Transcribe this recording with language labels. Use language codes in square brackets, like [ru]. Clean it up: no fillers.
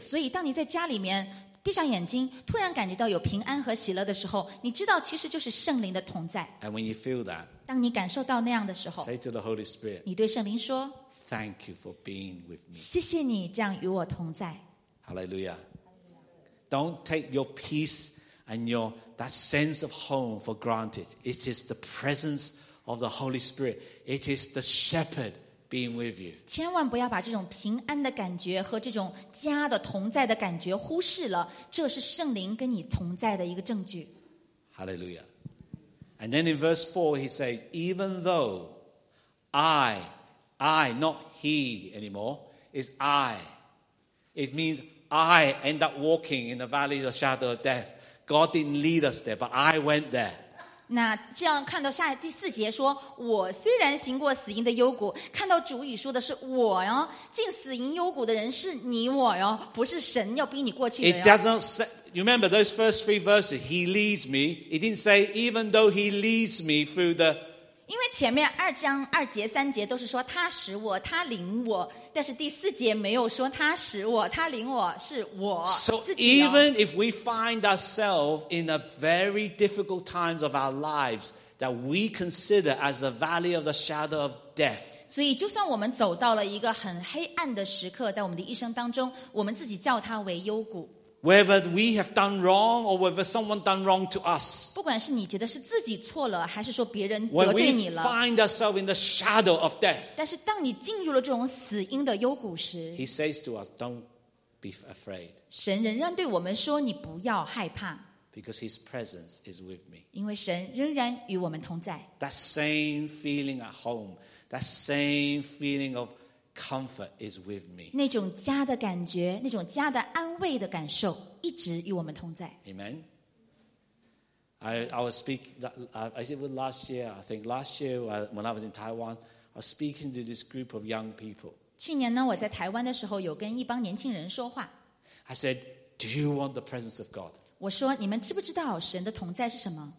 [zh] 所以当你在家里面闭上眼睛，突然感觉到有平安和喜乐的时候，你知道其实就是圣灵的同在。 [en] And when you feel that, [zh] 当你感受到那样的时候， [en] say to the Holy Spirit, [zh] 你对圣灵说， [en] Thank you for being with me. [zh] 谢谢你这样与我同在。 [en] Hallelujah. Don't take your peace and your that sense of home for granted. It is the presence of the Holy Spirit. It is the Shepherd. Being with you. [zh] 千万不要把这种平安的感觉和这种家的同在的感觉忽视了，这是圣灵跟你同在的一个证据。 [en] Hallelujah. And then in verse 4 he says, even though I, not he anymore, is I. It means I end up walking in the valley of the shadow of death. God didn't lead us there, but I went there. [zh] 那这样看到下第四节说，我虽然行过死荫的幽谷，看到主语说的是我哟，进死荫幽谷的人是你我哟，不是神要逼你过去的哟。 [en] It doesn't say, you remember those first three verses, he leads me, it didn't say even though he leads me through the... [zh] 因为前面二章二节三节都是说他使我，他领我，但是第四节没有说他使我，他领我，是我自己的。 [en] So even if we find ourselves in the very difficult times of our lives that we consider as the valley of the shadow of death, [zh] 所以就算我们走到了一个很黑暗的时刻，在我们的一生当中，我们自己叫它为幽谷。 [en] Whether we have done wrong or whether someone done wrong to us, [zh] 不管是你觉得是自己错了，还是说别人得罪你了。 [en] When we find ourselves in the shadow of death, [zh] 但是当你进入了这种死荫的幽谷时， [en] He says to us, "Don't be afraid." [zh] 神仍然对我们说，你不要害怕。 [en] Because His presence is with me. [zh] 因为神仍然与我们同在。 [en] That same feeling at home, that same feeling of. Comfort is with me. [zh] 那种家的感觉，那种家的安慰的感受，一直与我们同在。 [en] Amen. I was speaking. I think last year. I think last year when I was in Taiwan, I was speaking to this group of young people. [zh] 去年呢，我在台湾的时候，有跟一帮年轻人说话。 [en] I said, "Do you want the presence of God?" [zh] 我说，你们知不知道神的同在是什么